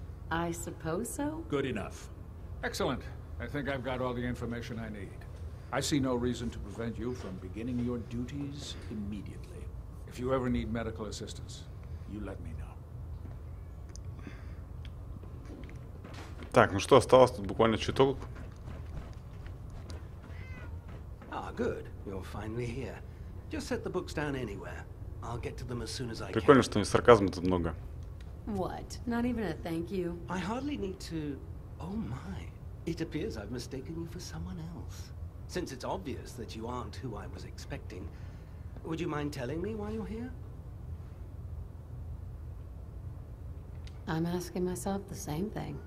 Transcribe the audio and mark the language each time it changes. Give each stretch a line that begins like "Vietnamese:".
English: I suppose so? Good enough. Excellent. I think I've got all the information I need. I see no reason to prevent you from beginning your duties immediately. If you ever need medical assistance, you let me know.
Russian: Так, ну что, осталось тут буквально чуток.
English: Ah, good. You're finally here. Just set the books down anywhere. I'll get to them as soon as I can.
Russian: Прикольно, что не сарказма тут много.
English: What? Not even a thank you. I hardly need to. Oh my. It appears I've mistaken you for someone else. Since it's obvious that you aren't who I was expecting, would you mind telling me why you're here? I'm asking myself the same thing.